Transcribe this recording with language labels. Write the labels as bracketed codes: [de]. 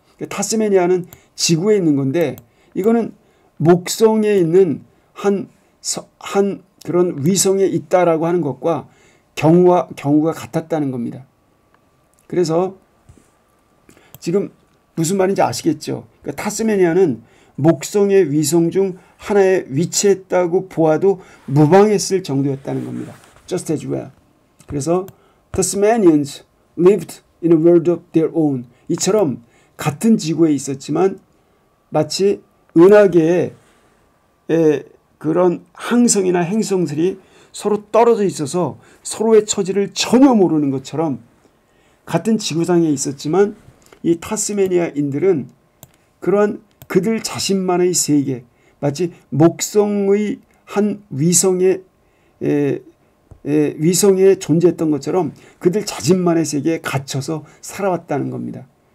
[ko] 타스메니아는 지구에 있는 건데 이거는 목성에 있는 한 그런 위성에 있다라고 하는 것과 경우가 같았다는 겁니다. 그래서 지금 무슨 말인지 아시겠죠? 그러니까 타스메니아는 목성의 위성 중 하나에 위치했다고 보아도 무방했을 정도였다는 겁니다. [en] Just as well. [ko] 그래서 [en] Tasmanians lived in a world of their own. [ko] 이처럼 같은 지구에 있었지만 마치 은하계의 그런 항성이나 행성들이 서로 떨어져 있어서 서로의 처지를 전혀 모르는 것처럼 같은 지구상에 있었지만 이 타스메니아인들은 그러한 그들 자신만의 세계, 마치 목성의 한 위성에 존재했던 것처럼 그들 자신만의 세계에 갇혀서 살아왔다는 겁니다.